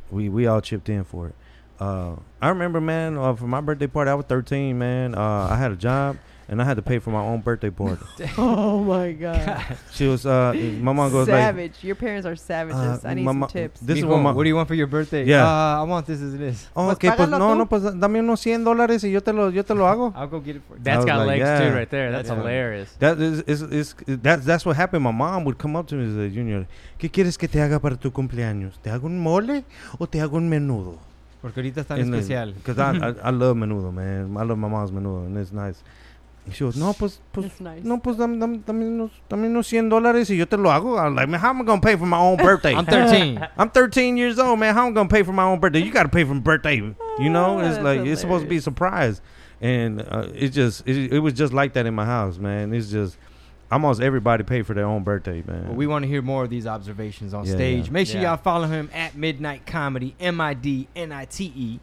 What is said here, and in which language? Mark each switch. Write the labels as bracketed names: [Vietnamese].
[English] We all chipped in for it. I remember, man, for my birthday party, I was 13, man. I had a job and I had to pay for my own birthday party. Oh, my God. She was, my mom goes, savage. Like, your parents are savages. I need some tips. This is what, what do you want for your birthday? Yeah. I want this and this. Oh, okay, [Spanish] pues no, pues dame unos $100 y yo te lo hago. [English] I'll go get it for you. That's got legs, too, right there. That's hilarious. That's what happened. My mom would come up to me as a junior. [Spanish] ¿Qué quieres que te haga para tu cumpleaños? ¿Te hago un mole o te hago un menudo? Porque ahorita está en especial. [English] Because I love menudo, man. I love my mom's menudo, and it's nice. And she goes, [Spanish] no, pues, dame unos $100 y yo te lo hago. [English] I'm like, man, how am I going to pay for my own birthday? I'm 13. I'm 13 years old, man. How am I going to pay for my own birthday? You got to pay for my birthday. You know? It's like, hilarious. It's supposed to be a surprise. And it was just like that in my house, man. It's just, almost everybody paid for their own birthday, man. Well, we want to hear more of these observations on stage. Yeah. Make sure y'all follow him at Midnight Comedy, MIDNITE.